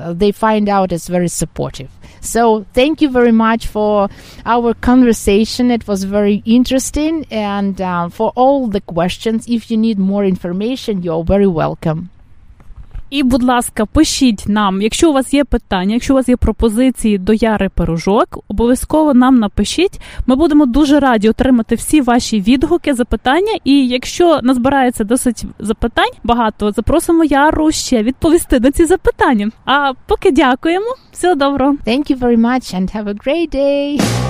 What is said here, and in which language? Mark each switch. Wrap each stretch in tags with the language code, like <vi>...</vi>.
<en>They find out it's very supportive. So thank you very much for our conversation. It was very interesting. And for all the questions, if you need more information, you're very welcome.</en> <uk>І, будь ласка, пишіть нам, якщо у вас є питання, якщо у вас є пропозиції до Яри Пирожок, обов'язково нам напишіть. Ми будемо дуже раді отримати всі ваші відгуки, запитання. І якщо назбирається досить запитань, багато, запросимо Яру ще відповісти на ці запитання. А поки дякуємо. Всього доброго.</uk> <en>Thank you very much and have a great day.</en>